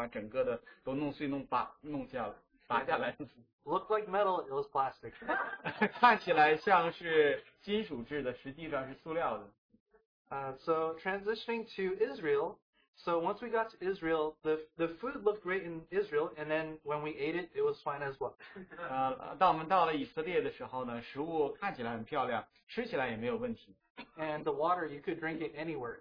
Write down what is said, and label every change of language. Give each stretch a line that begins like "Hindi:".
Chinese: 当时有一个例子呢，就是在宾馆洗浴的那个淋浴头，我就想在那调整一下角度的时候，结果不小心就把整个的都弄碎弄拔弄下了。
English: Looked like metal, it was plastic.
Chinese: 看起来像是金属制的，实际上是塑料的。
English: So transitioning to Israel, so once we got to Israel, the food looked great in Israel, and then when we ate it, it was fine as well.
Chinese: 当我们到了以色列的时候呢，食物看起来很漂亮，吃起来也没有问题。
English: And the water, you could drink it anywhere.